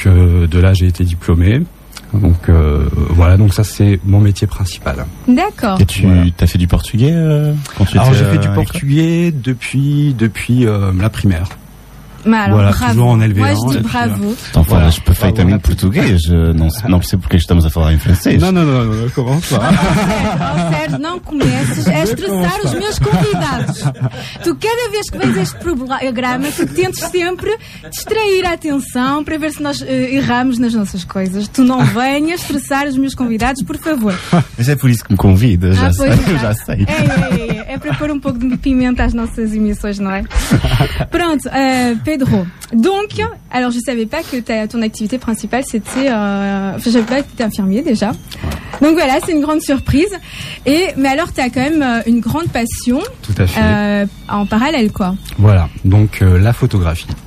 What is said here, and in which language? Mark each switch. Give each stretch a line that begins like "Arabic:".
French: Donc de là, j'ai été diplômé. Donc voilà, donc ça, c'est mon métier principal. D'accord. Et tu as fait du portugais quand tu étais... Alors, j'ai fait du portugais depuis la primaire. Alors, voilà, bravo. Toujours en élevé. Moi, je dis bravo. Attends, voilà, je peux faire un portugais. Non, c'est pour que je t'amuse à faire un français. Non, commence pas.
Portuguese: Sérgio, não comeces a estressar os meus convidados. Tu, cada vez que vês este programa, tu tentes sempre distrair a atenção para ver se nós erramos nas nossas coisas. Tu não venhas estressar os meus convidados, por favor. Mas é por isso que me convidas, já sei. É para pôr um pouco de pimenta às nossas emissões, não é?
French: Pronto, Pedro, donc, alors je ne savais pas que ton activité principale c'était. Je ne savais pas que tu étais infirmier déjà. Ouais. Donc voilà, c'est une grande surprise. Mais alors, tu as quand même une grande passion. Tout à fait. En parallèle, quoi. Voilà, donc la photographie.